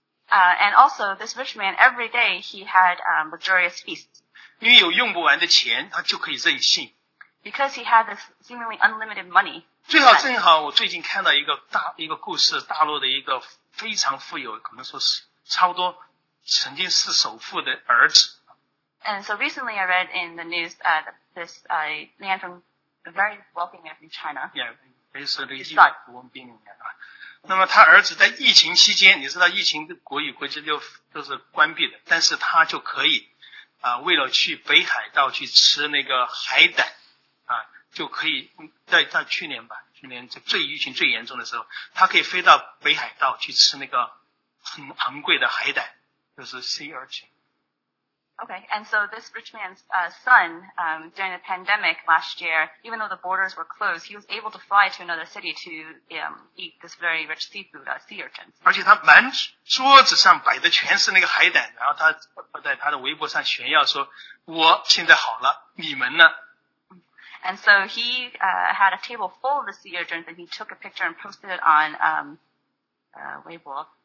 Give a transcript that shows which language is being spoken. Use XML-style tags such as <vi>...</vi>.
<en>And also, this rich man, every day he had luxurious feasts.</en> <zh>因为有用不完的钱，他就可以任性。</zh> <en>Because he had this seemingly unlimited money.</en> <zh>最好正好我最近看到一个故事，大陆的一个非常富有，可能说是差不多曾经是首富的儿子。</zh> <en>And so recently I read in the news this man from a very wealthy man from China. Yeah, basically he's a young man.</en> <zh>那么他儿子在疫情期间，你知道疫情的国与国际都是关闭的，但是他就可以为了去北海道去吃那个海胆。就可以在去年吧，去年最疫情最严重的时候，他可以飞到北海道去吃那个很昂贵的海胆，就是 sea urchin。</zh> <en>Okay, and so this rich man's son, during the pandemic last year, even though the borders were closed, he was able to fly to another city to eat this very rich seafood, sea urchins.</en> <zh>而且他满桌子上摆的全是那个海胆，然后他在他的微博上炫耀说：“我现在好了，你们呢？”</zh> <en>And so he had a table full of the sea urchins and he took a picture and posted it on Weibo.</en>